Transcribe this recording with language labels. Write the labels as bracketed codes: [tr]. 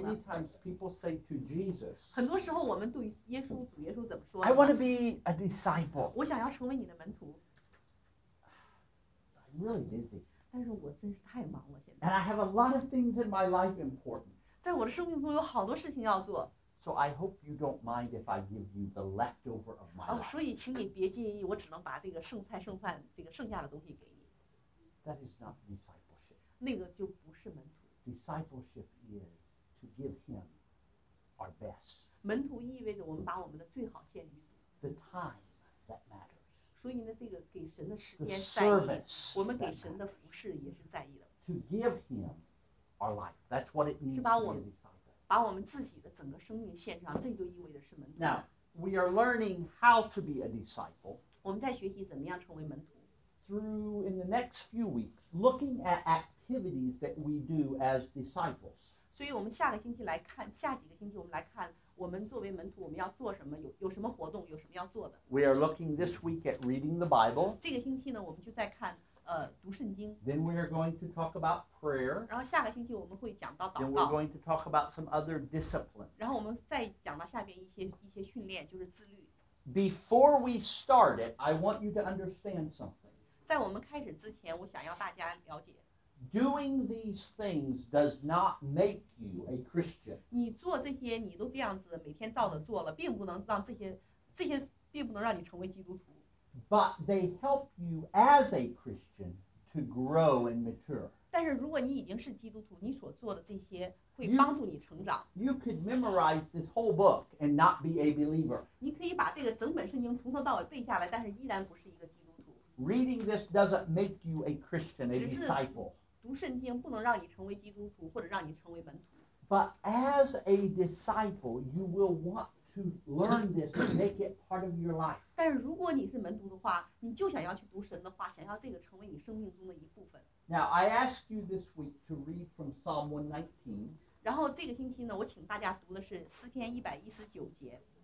[en] Many times people say to Jesus. [zh] 很多时候我们对耶稣主耶稣怎么说 [en] ？I want to be a disciple. [zh] 我想要成为你的门徒。 [en] I'm really busy. [zh] 但是我真是太忙了现在。 [en] And I have a lot of things in my life important. [zh] 在我的生命中有好多事情要做。 [en] So I hope you don't mind if I give you the leftover of my life. [zh] 所以请你别介意，我只能把这个剩菜剩饭这个剩下的东西给你。 [en] That is not discipleship. [zh] 那个就不是门徒。 [en] Discipleship is to give him our best. [zh] 门徒意味着我们把我们的最好献于主。 [en] The time that matters. [zh] 所以呢，这个给神的时间在意。我们给神的服侍也是在意的。 [en] To give him our life. That's what it means to be a disciple. [zh] 把我们自己的整个生命献上，这就意味着是门徒。 [en] Now, we are learning how to be a disciple. [zh] 我们在学习怎么样成为门徒。 [en] Through in the next few weeks, looking at activities that we do as disciples. [zh] 所以我们下个星期来看，下几个星期我们来看，我们作为门徒我们要做什么，有什么活动，有什么要做的。 [en] We are looking this week at reading the Bible. [zh] 这个星期呢，我们就在看，读圣经。 [en] Then we are going to talk about prayer. [zh] 然后下个星期我们会讲到祷告。 [en] Then we're going to talk about some other disciplines. [zh] 然后我们再讲到下边一些训练，就是自律。 [en] Before we start it, I want you to understand something. [zh] 在我们开始之前，我想要大家了解。 [en] Doing these things does not make you a Christian. [zh] 你做这些，你都这样子，每天照着做了，并不能让这些并不能让你成为基督徒。 [en] But they help you as a Christian to grow and mature. [zh] 但是如果你已经是基督徒，你所做的这些会帮助你成长。 [en] You could memorize this whole book and not be a believer. [zh] 你可以把这个整本圣经从头到尾背下来，但是依然不是一个基督徒。 [en] Reading this doesn't make you a Christian, a disciple. [zh] 读圣经不能让你成为基督徒，或者让你成为门徒。 [en] But as a disciple, you will want to learn this and make it part of your life. [zh] 但是如果你是门徒的话，你就想要去读神的话，想要这个成为你生命中的一部分。 [en] Now I ask you this week to read from Psalm 119. [zh] 然后这个星期呢，我请大家读的是诗篇119节。